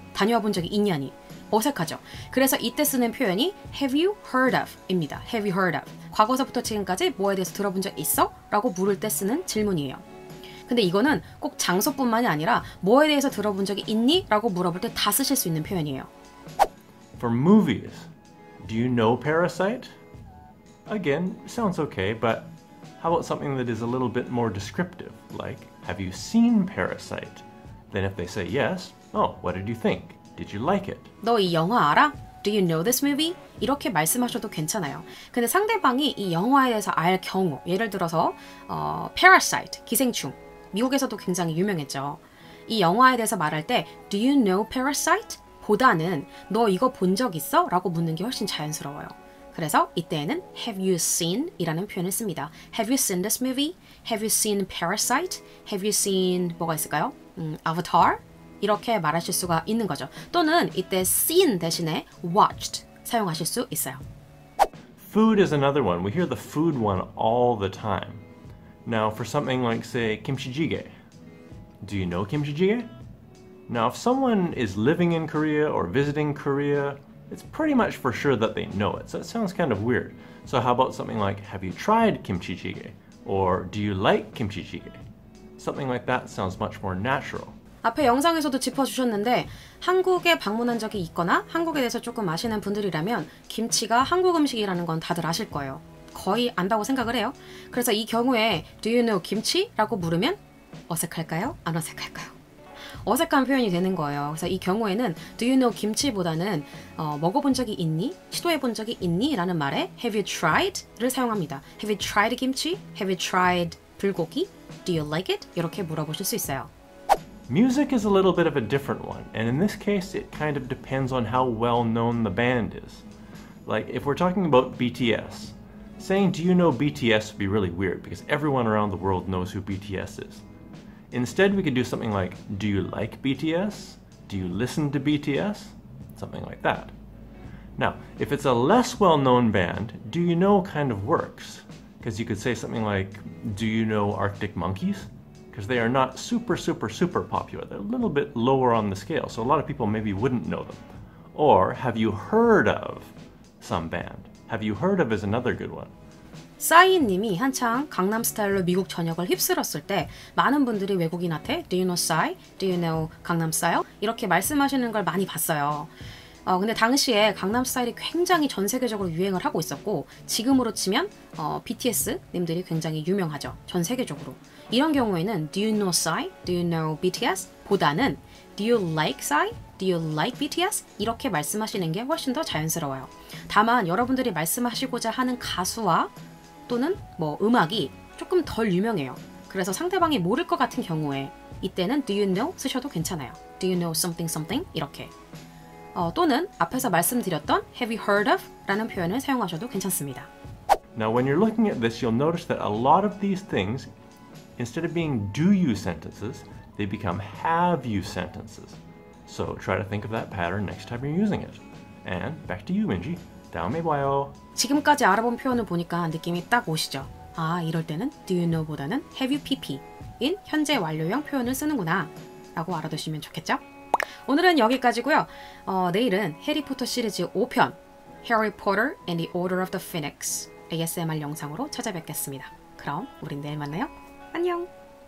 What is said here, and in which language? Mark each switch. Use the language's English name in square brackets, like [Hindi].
[Korean] 다녀와 본 적이 있냐니? 어색하죠? 그래서 이때 쓰는 표현이 [English] Have you heard of? [Korean] 입니다. [English] Have you heard of? [Korean] 과거서부터 지금까지 뭐에 대해서 들어본 적 있어? 라고 물을 때 쓰는 질문이에요. 근데 이거는 꼭 장소뿐만이 아니라 뭐에 대해서 들어본 적이 있니? 라고 물어볼 때 다 쓰실 수 있는 표현이에요. [English] For movies, do you know Parasite? Again, sounds okay, but how about something that is a little bit more descriptive, like, have you seen Parasite? Then if they say yes, oh, what did you think? Did you like it? [Korean] 너 이 영화 알아? [English] Do you know this movie? [Korean] 이렇게 말씀하셔도 괜찮아요. 근데 상대방이 이 영화에 대해서 알 경우, 예를 들어서 Parasite, 기생충, 미국에서도 굉장히 유명했죠. 이 영화에 대해서 말할 때, [English] Do you know Parasite? [Korean] 보다는 너 이거 본 적 있어? 라고 묻는 게 훨씬 자연스러워요. 그래서 이때에는 [English] Have you seen? [Korean] 이라는 표현을 씁니다. [English] Have you seen this movie? Have you seen Parasite? Have you seen [Korean] 뭐가 있을까요? [English] Avatar? [Korean] 이렇게 말하실 수가 있는 거죠. 또는 이때 seen 대신에 watched 사용하실 수 있어요. [English] Food is another one. We hear the food one all the time. Now for something like say kimchi jjigae. Do you know kimchi jjigae? Now if someone is living in Korea or visiting Korea, it's pretty much for sure that they know it, so it sounds kind of weird. So how about something like, have you tried kimchi jjigae? Or do you like kimchi jjigae? Something like that sounds much more natural. [Korean] 앞에 영상에서도 짚어주셨는데 한국에 방문한 적이 있거나 한국에 대해서 조금 아시는 분들이라면 김치가 한국 음식이라는 건 다들 아실 거예요. 거의 안다고 생각을 해요. 그래서 이 경우에 [English] Do you know [Korean] 김치? 라고 물으면 어색할까요? 안 어색할까요? 어색한 표현이 되는 거예요. 그래서 이 경우에는 [English] Do you know [Korean] 김치보다는 먹어본 적이 있니? 시도해본 적이 있니? 라는 말에 [English] Have you tried? [Korean] 를 사용합니다. [English] Have you tried 김치? Have you tried 불고기? Do you like it? [Korean] 이렇게 물어보실 수 있어요. [English] Music is a little bit of a different one. And in this case, it kind of depends on how well known the band is. Like, if we're talking about BTS, saying Do you know BTS would be really weird because everyone around the world knows who BTS is. Instead, we could do something like, do you like BTS? Do you listen to BTS? Something like that. Now, if it's a less well-known band, do you know kind of works? Because you could say something like, do you know Arctic Monkeys? because they are not super, super, super popular. They're a little bit lower on the scale, so a lot of people maybe wouldn't know them. Or have you heard of some band? Have you heard of is another good one. [Korean] 싸이님이 한창 강남 스타일로 미국 전역을 휩쓸었을 때 많은 분들이 외국인한테 [English] Do you know [Korean] 싸이? [English] Do you know 강남 스타일? [Korean] 이렇게 말씀하시는 걸 많이 봤어요. 근데 당시에 강남 스타일이 굉장히 전 세계적으로 유행을 하고 있었고 지금으로 치면 BTS님들이 굉장히 유명하죠. 전 세계적으로. 이런 경우에는 [English] Do you know 싸이? Do you know BTS? [Korean] 보다는 [English] Do you like 싸이? Do you like BTS? [Korean] 이렇게 말씀하시는 게 훨씬 더 자연스러워요. 다만 여러분들이 말씀하시고자 하는 가수와 또는 뭐 음악이 조금 덜 유명해요. 그래서 상대방이 모를 것 같은 경우에 이때는 [English] Do you know [Korean] 쓰셔도 괜찮아요. [English] Do you know something something? [Korean] 이렇게. 또는 앞에서 말씀드렸던 [English] Have you heard of? [Korean] 라는 표현을 사용하셔도 괜찮습니다. [English] Now when you're looking at this, you'll notice that a lot of these things, instead of being do you sentences, they become have you sentences. So try to think of that pattern next time you're using it. And back to you, Minji. [Korean] 다음에 봐요. 지금까지 알아본 표현을 보니까 느낌이 딱 오시죠? 아, 이럴 때는 [English] Do you know [Korean] 보다는 [English] Have you PP [Korean] 인 현재 완료형 표현을 쓰는구나 라고 알아두시면 좋겠죠? 오늘은 여기까지고요. 내일은 해리포터 시리즈 5편 Harry Potter and the Order of the Phoenix ASMR 영상으로 찾아뵙겠습니다. 그럼 우린 내일 만나요. 안녕!